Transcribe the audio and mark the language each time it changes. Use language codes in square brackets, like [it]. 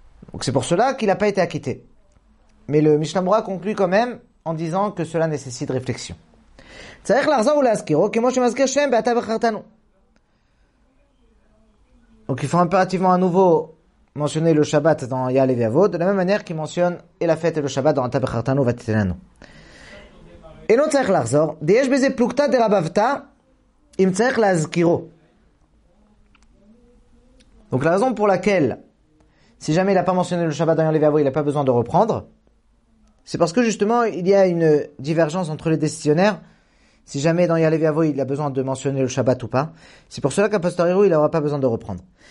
[fr] Donc c'est pour cela qu'il n'a pas été acquitté. Mais le Mishnah Berurah conclut quand même en disant que cela nécessite réflexion. [he] צריך לחזור ולהזכירו כמו שמזכיר שם באתה בחרתנו. [fr] Donc il faut impérativement à nouveau mentionner le Shabbat dans Yale Viavo, de la même manière qu'il mentionne et la fête et le Shabbat dans Ata Bechartanu ותיתן לנו. Et [he] צריך לחזור, יש בזה פלוגתא דרבבתא, אם צריך להזכירו. [fr] Donc la raison pour laquelle, si jamais il n'a pas mentionné le Shabbat dans Yale Viavo, il n'a pas besoin de reprendre, c'est parce que justement il y a une divergence entre les décisionnaires. Si jamais dans Yalevi Avo il a besoin de mentionner le Shabbat ou pas, c'est pour cela qu'a posteriori il n'aura pas besoin de reprendre.